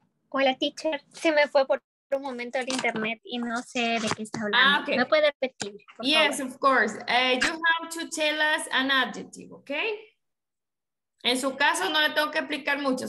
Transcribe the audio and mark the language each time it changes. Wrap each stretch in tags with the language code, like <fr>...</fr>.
<es>Hola, teacher. Se me fue por un momento el internet y no sé de qué está hablando. Ah, okay. ¿Me puede repetir?</es> <en>Yes, favor? Of course. You have to tell us an adjective, okay?</en> <es>En su caso, no le tengo que explicar mucho.</es>